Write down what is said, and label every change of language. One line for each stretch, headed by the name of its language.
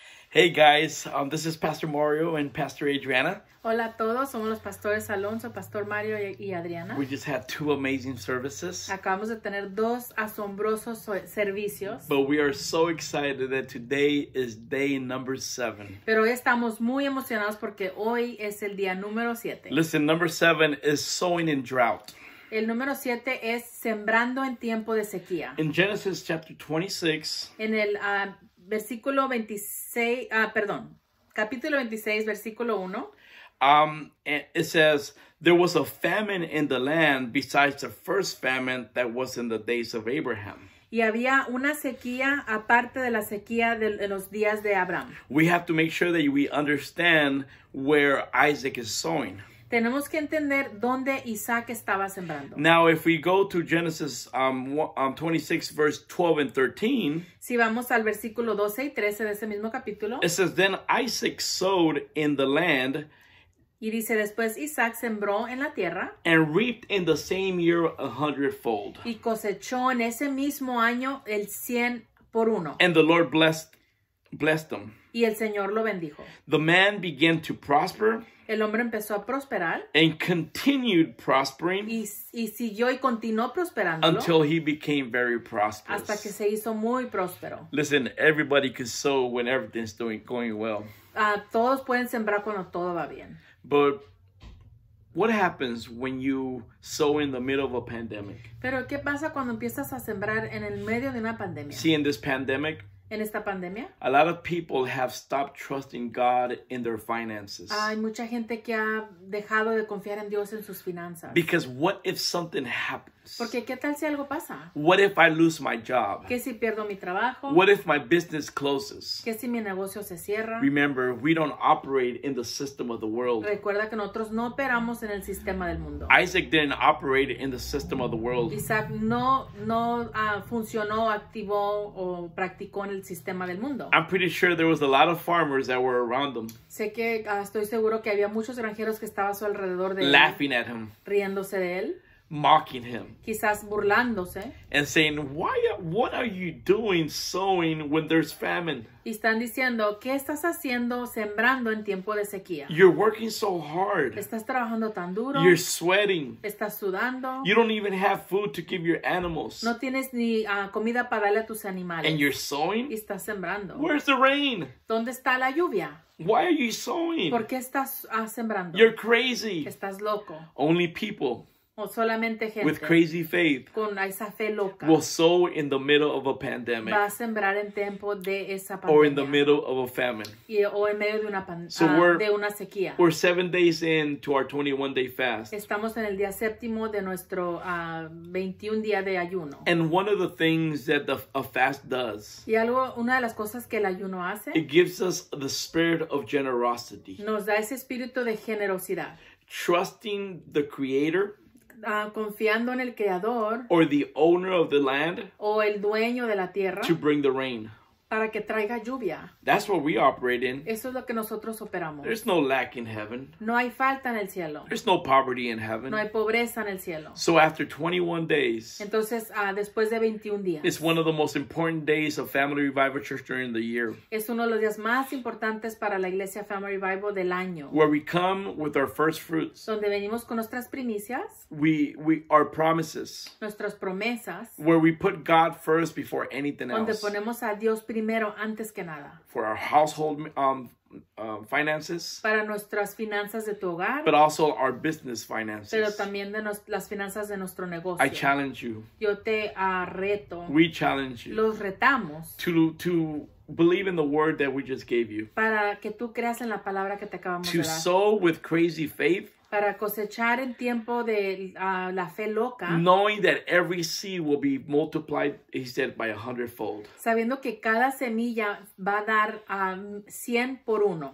English: Hey guys, this is Pastor Mario and Pastor Adriana.
Spanish: Hola a todos, somos los pastores Alonso, Pastor Mario y Adriana.
English: We just had two amazing services.
Spanish: Acabamos de tener dos asombrosos servicios.
English: But we are so excited that today is day number 7.
Spanish: Pero hoy estamos muy emocionados porque hoy es el día número 7.
English: Listen, number 7 is sowing in drought.
Spanish: El número 7 es sembrando en tiempo de sequía.
English: In Genesis chapter 26.
Spanish: En el versículo 26, perdón, capítulo 26, versículo 1.
English: It says, there was a famine in the land besides the first famine that was in the days of Abraham.
Spanish: Y había una sequía aparte de la sequía de los días de Abraham.
English: We have to make sure that we understand where Isaac is sowing.
Spanish: Tenemos que entender dónde Isaac estaba sembrando.
English: Now, if we go to Genesis 26, verse 12 and 13.
Spanish: Si vamos al versículo 12 y 13 de ese mismo capítulo.
English: It says, then Isaac sowed in the land.
Spanish: Y dice, después Isaac sembró en la tierra.
English: And reaped in the same year 100-fold.
Spanish: Y cosechó en ese mismo año el 100 por uno.
English: And the Lord blessed them.
Spanish: Y el Señor lo bendijo.
English: The man began to prosper.
Spanish: El hombre empezó a prosperar.
English: And continued prospering.
Spanish: Y siguió y continuó prosperándolo.
English: Until he became very prosperous.
Spanish: Hasta que se hizo muy próspero.
English: Listen, everybody can sow when everything's going well.
Spanish: Todos pueden sembrar cuando todo va bien.
English: But what happens when you sow in the middle of a pandemic?
Spanish: Pero ¿qué pasa cuando empiezas a sembrar en el medio de una pandemia?
English: See, in this pandemic.
Spanish: En esta pandemia,
English: a lot of people have stopped trusting God in their finances.
Spanish: Hay mucha gente que ha dejado de confiar en Dios en sus finanzas.
English: Because what if something happens?
Spanish: Porque ¿qué tal si algo pasa?
English: What if I lose my job?
Spanish: ¿Qué si pierdo mi trabajo?
English: What if my business closes?
Spanish: ¿Qué si mi negocio se cierra?
English: Remember, we don't operate in the system of the world.
Spanish: Recuerda que nosotros no operamos en el sistema del mundo.
English: Isaac didn't operate in the system of the world.
Spanish: Isaac no funcionó, activó o practicó el sistema del mundo.
English: I'm pretty sure there was a lot of farmers that were around him.
Spanish: Sé que estoy seguro que había muchos granjeros que estaban a su alrededor de
English: laughing at him.
Spanish: Riéndose de él.
English: Mocking him.
Spanish: Quizás burlándose.
English: And saying, what are you doing sowing when there's famine?
Spanish: Y están diciendo, ¿qué estás haciendo sembrando en tiempo de sequía?
English: You're working so hard.
Spanish: Estás trabajando tan duro.
English: You're sweating.
Spanish: Estás sudando.
English: You don't even have food to give your animals.
Spanish: No tienes ni comida para darle a tus animales.
English: And you're sowing?
Spanish: Y estás sembrando.
English: Where's the rain?
Spanish: ¿Dónde está la lluvia?
English: Why are you sowing?
Spanish: ¿Por qué estás sembrando?
English: You're crazy.
Spanish: Estás loco.
English: Only people.
Spanish: O solamente gente
English: with crazy faith
Spanish: con esa fe loca
English: will sow in the middle of a pandemic.
Spanish: Va a sembrar en tiempo de esa pandemia.
English: Or in the middle of a famine.
Spanish: Y, o en medio de una de una sequía.
English: We're 7 days into our 21-day fast.
Spanish: Estamos en el día séptimo de nuestro 21 día de ayuno.
English: And one of the things that a fast does.
Spanish: Y algo, una de las cosas que el ayuno hace.
English: It gives us the spirit of generosity.
Spanish: Nos da ese espíritu de generosidad.
English: Trusting the creator.
Spanish: Confiando en el creador
English: or the owner of the land
Spanish: o el dueño de la tierra
English: to bring the rain
Spanish: para que traiga lluvia.
English: That's what we operate in.
Spanish: Eso es lo que nosotros operamos.
English: There's no lack in heaven.
Spanish: No hay falta en el cielo.
English: There's no poverty in heaven.
Spanish: No hay pobreza en el cielo.
English: So after 21 days.
Spanish: Entonces, después de 21 días.
English: It's one of the most important days of Family Revival Church during the year.
Spanish: Es uno de los días más importantes para la Iglesia Family Revival del año.
English: Where we come with our first fruits.
Spanish: Donde venimos con nuestras primicias.
English: We our promises.
Spanish: Nuestras promesas.
English: Where we put God first before anything
Spanish: donde
English: else.
Spanish: Donde ponemos a Dios primero antes que nada.
English: For our household finances.
Spanish: Para nuestras finanzas de tu hogar.
English: But also our business finances.
Spanish: Pero también de las finanzas de nuestro negocio.
English: I challenge you.
Spanish: Yo te reto.
English: We challenge you.
Spanish: Los retamos.
English: To believe in the word that we just gave you.
Spanish: Para que tú creas en la palabra que te acabamos
English: to
Spanish: de dar.
English: To sow with crazy faith.
Spanish: Para cosechar en tiempo de la fe loca.
English: Knowing that every seed will be multiplied, he said, by 100-fold.
Spanish: Sabiendo que cada semilla va a dar 100 por uno.